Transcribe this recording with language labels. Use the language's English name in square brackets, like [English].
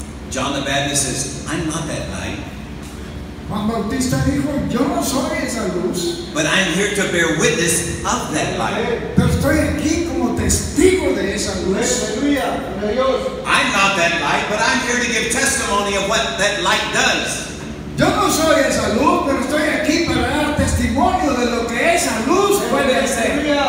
[English] John the Baptist says, "I'm not that light." [Spanish] Juan Bautista dijo, "Yo no soy esa luz." [English] But I'm here to bear witness of that light. [Spanish] Pero estoy aquí como testigo de esa luz. Aleluya. [English] I'm not that light, but I'm here to give testimony of what that light does. [Spanish] Yo no soy esa luz, pero estoy aquí para dar testimonio de lo que esa luz puede hacer.